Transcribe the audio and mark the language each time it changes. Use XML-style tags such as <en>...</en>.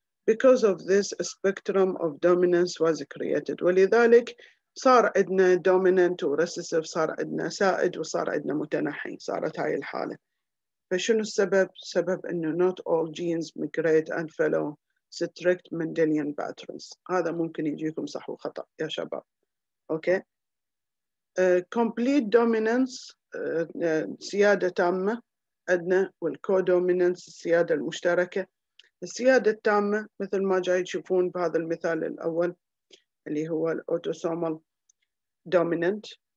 <en>Because of this, a spectrum of dominance was created.</en> <ar>ولذلك صار عندنا dominant وrecessive صار عندنا سائد وصار عندنا متنحي صارت هاي الحالة. فشنو السبب؟ سبب إنه</ar> <en>not all genes migrate and follow strict Mendelian patterns.</en> <ar>هذا ممكن يجيكم صح وخطأ يا شباب.</ar> <en>Okay.</en> <ar>Complete dominance سيادة تامة أدنى والcodominance السيادة المشتركة. السيادة التامة مثل ما جاي تشوفون بهذا المثال الأول اللي هو autosomal dominant.</ar>